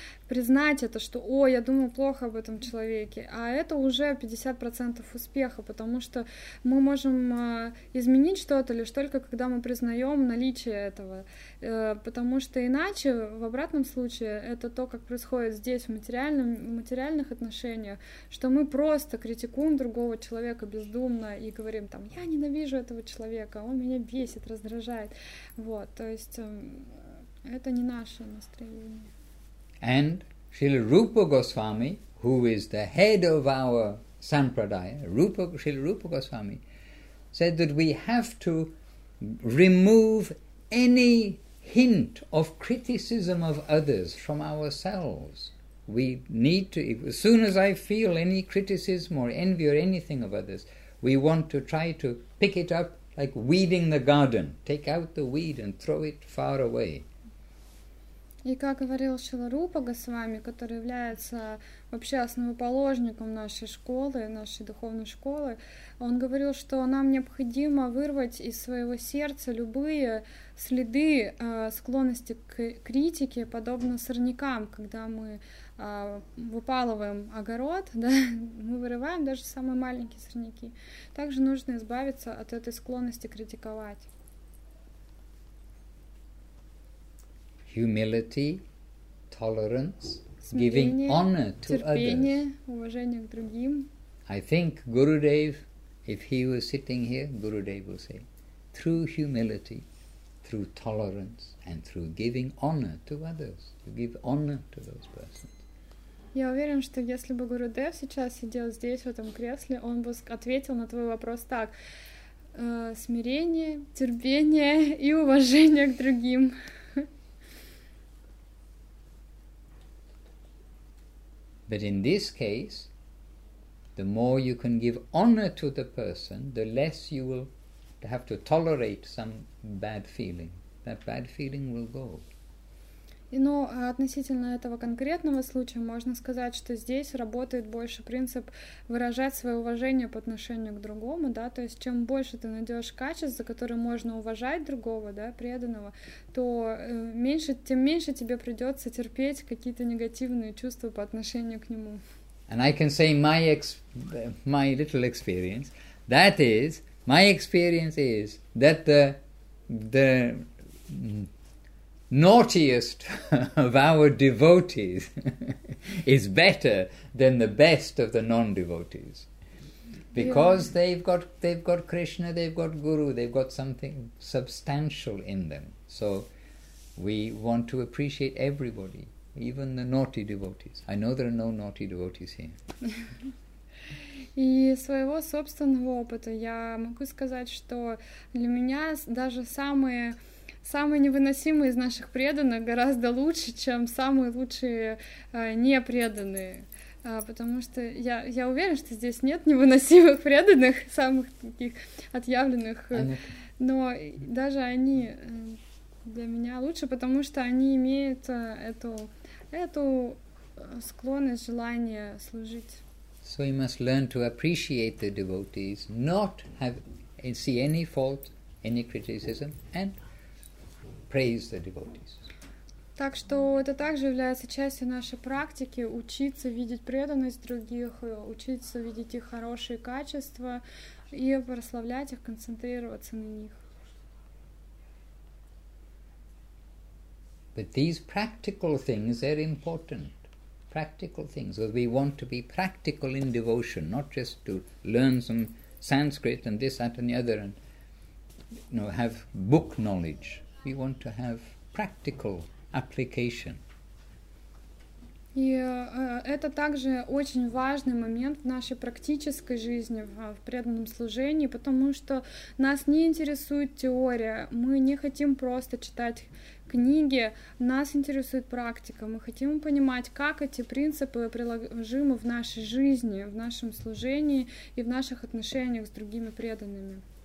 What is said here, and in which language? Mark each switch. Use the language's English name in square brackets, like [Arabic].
[Russian] признать это, что «О, я думаю плохо об этом человеке», а это уже 50% успеха, потому что мы можем изменить что-то лишь только, когда мы признаем наличие этого, потому что иначе, в обратном случае, это то, как происходит здесь, в материальных отношениях, что мы просто критикуем другого человека бездумно и говорим там «Я ненавижу этого человека, он меня бесит, раздражает». Вот, то есть это не наше настроение. [English] And Srila Rupa Goswami, who is the head of our sampradaya, Srila Rupa Goswami, said that we have to remove any hint of criticism of others from ourselves. We need to, as soon as I feel any criticism or envy or anything of others, we want to try to pick it up like weeding the garden. Take out the weed and throw it far away. [Russian] И как говорил Шрила Рупа Госвами, который является вообще основоположником нашей школы, нашей духовной школы, он говорил, что нам необходимо вырвать из своего сердца любые следы склонности к критике, подобно сорнякам, когда мы выпалываем огород, да, мы вырываем даже самые маленькие сорняки. Также нужно избавиться от этой склонности критиковать. [English] Humility, tolerance, giving honor to others. I think Gurudev, if he was sitting here, Gurudev will say, through humility, through tolerance, and through giving honor to others, to give honor to those persons. [Russian] Я уверен, что если бы Гурудев сейчас сидел здесь, в этом кресле, он бы ответил на твой вопрос так. Смирение, терпение и уважение к другим. [English] But in this case, the more you can give honor to the person, the less you will have to tolerate some bad feeling. That bad feeling will go. [Russian] Но относительно этого конкретного случая можно сказать, что здесь работает больше принцип выражать свое уважение по отношению к другому, да, то есть чем больше ты найдешь качеств, за которые можно уважать другого, да, преданного, то меньше, тем меньше тебе придется терпеть какие-то негативные чувства по отношению к нему. [English] And I can say my little experience, that is, my experience is that the naughtiest of our devotees is better than the best of the non-devotees, because they've got Krishna, they've got Guru, they've got something substantial in them. So we want to appreciate everybody, even the naughty devotees. I know there are no naughty devotees here. [Russian] И своего собственного опыта я могу сказать, что для меня даже самые невыносимые из наших преданных гораздо лучше, чем самые лучшие непреданные. Потому что я уверен, что здесь нет невыносимых преданных, самых таких отъявленных. Но даже они для меня лучше, потому что они имеют эту склонность, желание служить. [English] So you must learn to appreciate the devotees, not see any fault, any criticism, and praise the devotees. [Russian] Так что это также является частью нашей практики учиться видеть преданность других, учиться видеть их хорошие качества и прославлять их, концентрироваться на них. [English] But these practical things are important. Practical things, because we want to be practical in devotion, not just to learn some Sanskrit and this, that, and the other, and you know, have book knowledge. We want to have practical application. [Russian] И это также очень важный момент в нашей практической жизни, в преданном служении, потому что нас не интересует теория, мы не хотим просто читать книги, нас интересует практика, мы хотим понимать, как эти принципы приложимы в нашей жизни, в нашем служении и в наших отношениях с другими преданными.